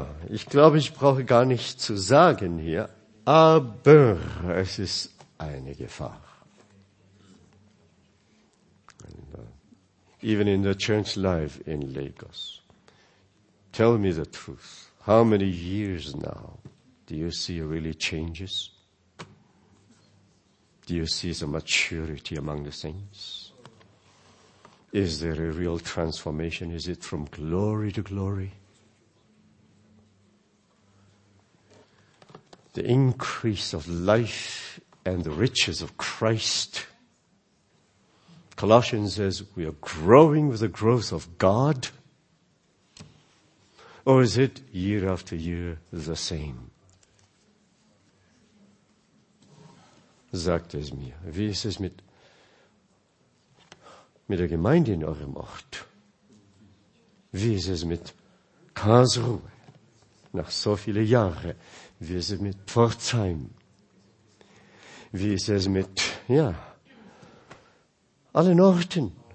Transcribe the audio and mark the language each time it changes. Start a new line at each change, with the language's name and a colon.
German: Ich glaube, ich brauche gar nicht zu sagen hier, aber es ist eine Gefahr.
English: And, even in the church life in Lagos. Tell me the truth. How many years now do you see really changes? Do you see the maturity among the saints? Is there a real transformation? Is it from glory to glory? The increase of life and the riches of Christ. Colossians says we are growing with the growth of God. Or is it year after year the same?
German: Sagt es mir. Wie ist es mit der Gemeinde in eurem Ort? Wie ist es mit Karlsruhe? Nach so vielen Jahren. Wie ist es mit Pforzheim? Wie ist es mit, ja, allen Orten?